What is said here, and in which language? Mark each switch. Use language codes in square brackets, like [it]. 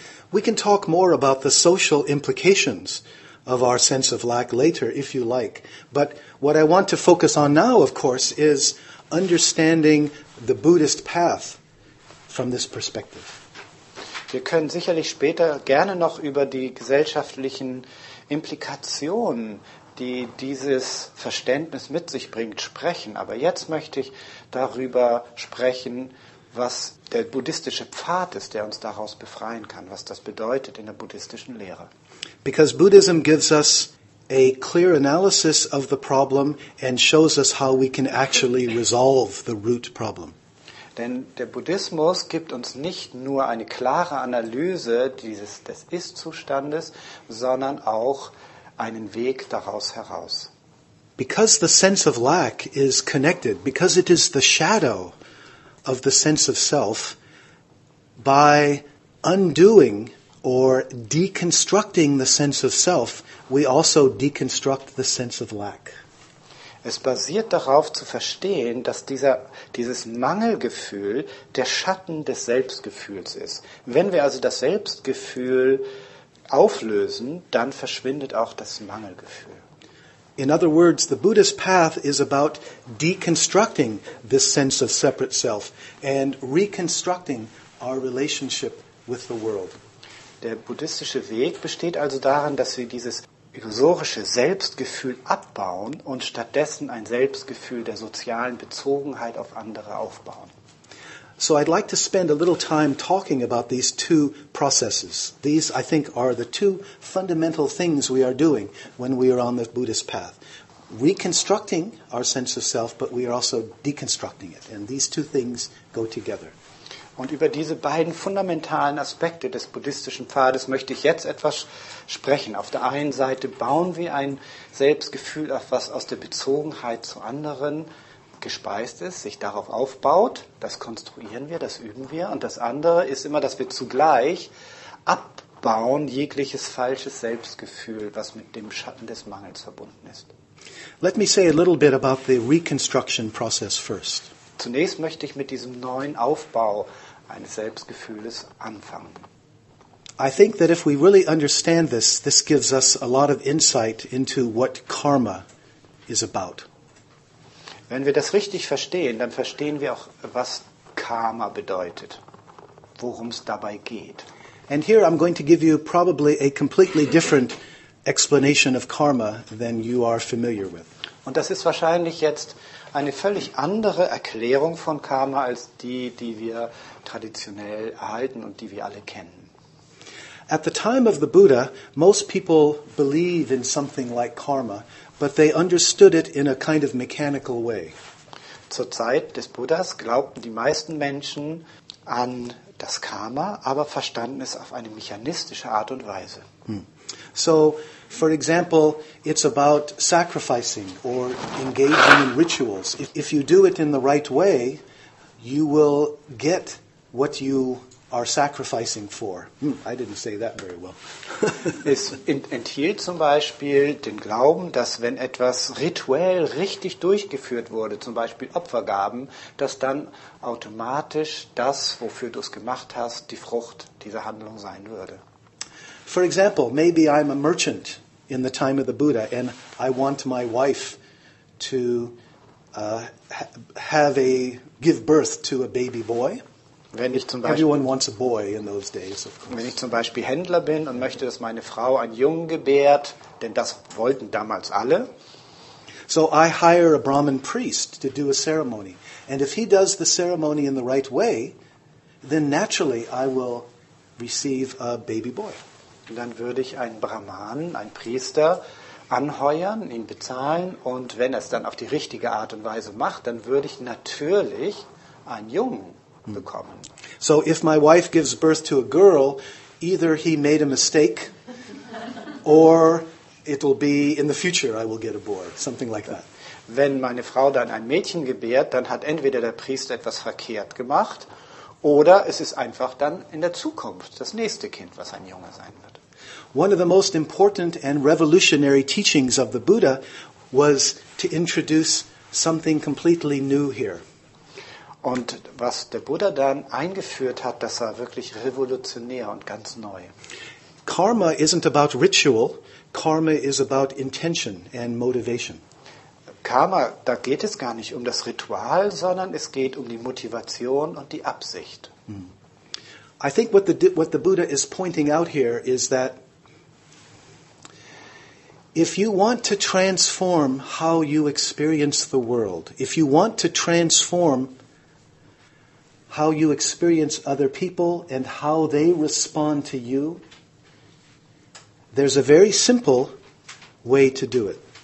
[en] We can talk more about the social implications of our sense of lack later, if you like. But what I want to focus on now, of course, is understanding the Buddhist path from this perspective. [de] Wir können sicherlich später gerne noch über die gesellschaftlichen Implikationen, die dieses Verständnis mit sich bringt, sprechen. Aber jetzt möchte ich darüber sprechen, was der buddhistische Pfad ist, der uns daraus befreien kann, was das bedeutet in der buddhistischen Lehre. [en] Because Buddhism gives us a clear analysis of the problem and shows us how we can actually resolve the root problem. [de] Denn der Buddhismus gibt uns nicht nur eine klare Analyse des Ist-Zustandes, sondern auch einen Weg daraus heraus. [en] Because the sense of lack is connected, because it is the shadow of the sense of self, by undoing or deconstructing the sense of self, we also deconstruct the sense of lack. [de] Es basiert darauf zu verstehen, dass dieses Mangelgefühl der Schatten des Selbstgefühls ist. Wenn wir also das Selbstgefühl auflösen, dann verschwindet auch das Mangelgefühl. [en] In other words, the Buddhist path is about deconstructing this sense of separate self and reconstructing our relationship with the world. [de] Der buddhistische Weg besteht also darin, dass wir dieses illusorische Selbstgefühl abbauen und stattdessen ein Selbstgefühl der sozialen Bezogenheit auf andere aufbauen. [en] So I'd like to spend a little time talking about these two processes. These, I think, are the two fundamental things we are doing when we are on the Buddhist path. Reconstructing our sense of self, but we are also deconstructing it. And these two things go together. [de] Und über diese beiden fundamentalen Aspekte des buddhistischen Pfades möchte ich jetzt etwas sprechen. Auf der einen Seite bauen wir ein Selbstgefühl auf, was aus der Bezogenheit zu anderen gespeist ist, sich darauf aufbaut. Das konstruieren wir, das üben wir. Und das andere ist immer, dass wir zugleich abbauen jegliches falsches Selbstgefühl, was mit dem Schatten des Mangels verbunden ist. [en] Let me say a little bit about the reconstruction process first. [de] Zunächst möchte ich mit diesem neuen Aufbau eines Selbstgefühles anfangen. [en] I think that if we really understand this, this gives us a lot of insight into what karma is about. [de] Wenn wir das richtig verstehen, dann verstehen wir auch, was Karma bedeutet, worum es dabei geht. [en] And here I'm going to give you probably a completely different explanation of karma than you are familiar with. [de] Und das ist wahrscheinlich jetzt eine völlig andere Erklärung von Karma als die wir traditionell erhalten und die wir alle kennen. [en] At the time of the Buddha, most people believe in something like karma, but they understood it in a kind of mechanical way. [de] Zur Zeit des Buddhas glaubten die meisten Menschen an das Karma, aber verstanden es auf eine mechanistische Art und Weise. [en] So, for example, it's about sacrificing or engaging in rituals. If you do it in the right way, you will get what you are sacrificing for. I didn't say that very well. [de] Es enthielt zum Beispiel den Glauben, dass wenn etwas rituell richtig durchgeführt wurde, zum Beispiel Opfergaben, dass dann automatisch das, wofür du es gemacht hast, die Frucht dieser Handlung sein würde. [en] For example, maybe I'm a merchant in the time of the Buddha and I want my wife to give birth to a baby boy. [de] Wenn ich zum Beispiel, [en] everyone wants a boy in those days, of course. [de] Wenn ich zum Beispiel Händler bin und möchte, dass meine Frau einen Jungen gebärt, denn das wollten damals alle. [en] So I hire a Brahmin priest to do a ceremony. And if he does the ceremony in the right way, then naturally I will receive a baby boy. [de] Und dann würde ich einen Brahmanen, einen Priester, anheuern, ihn bezahlen und wenn er es dann auf die richtige Art und Weise macht, dann würde ich natürlich einen Jungen bekommen. [en] So if my wife gives birth to a girl, either he made a mistake or it will be in the future I will get a boy, something like that. [de] Wenn meine Frau dann ein Mädchen gebärt, dann hat entweder der Priester etwas verkehrt gemacht oder es ist einfach dann in der Zukunft das nächste Kind, was ein Junge sein wird. [en] One of the most important and revolutionary teachings of the Buddha was to introduce something completely new here. [de] Und was der Buddha dann eingeführt hat, das war wirklich revolutionär und ganz neu. [en] Karma isn't about ritual. Karma is about intention and motivation. [de] Karma, da geht es gar nicht um das Ritual, sondern es geht um die Motivation und die Absicht. [en] I think what the Buddha is pointing out here is that if you want to transform how you experience the world, if you want to transform how you experience other people and how they respond to you, there's a very simple way to do it.